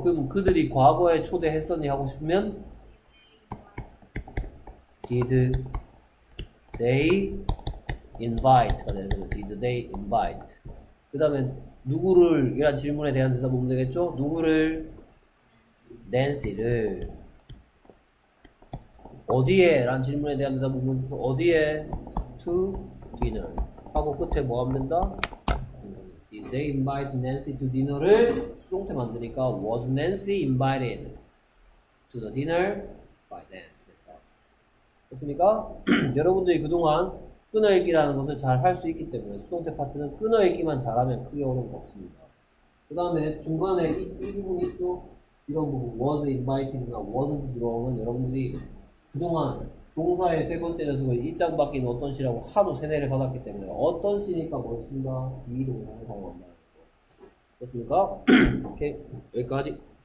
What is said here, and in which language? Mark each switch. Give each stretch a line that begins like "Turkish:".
Korean: 그럼 그들이 과거에 초대했었니 하고 싶으면
English: did they invite
Korean: 가 되는 거죠.
English: did they invite.
Korean: 그 다음에 누구를 이란 질문에 대한 대답 보면 되겠죠. 누구를? Nancy를. 어디에? 라는 질문에 대한 대답 보면 되겠죠. 어디에?
English: to dinner
Korean: 하고 끝에 뭐 하면 된다?
English: Did they invite Nancy to dinner를
Korean: 수동태 만드니까
English: was Nancy invited to the dinner by them.
Korean: 됐습니까? 여러분들이 그동안 끊어읽기라는 것을 잘 할 수 있기 때문에 수동태 파트는 끊어읽기만 잘하면 크게 어려운 거 없습니다. 그 다음에 중간에 이 부분 있죠? 이런 부분
English: was invited
Korean: 나
English: wasn't drawn
Korean: 은 여러분들이 그동안 동사의 세 번째 녀석은 입장 바뀐 어떤 시라고 하도 세뇌를 받았기 때문에 어떤 시니까 뭘 쓴다? 이 동사를 사용한다. 됐습니까? 오케이. 여기까지.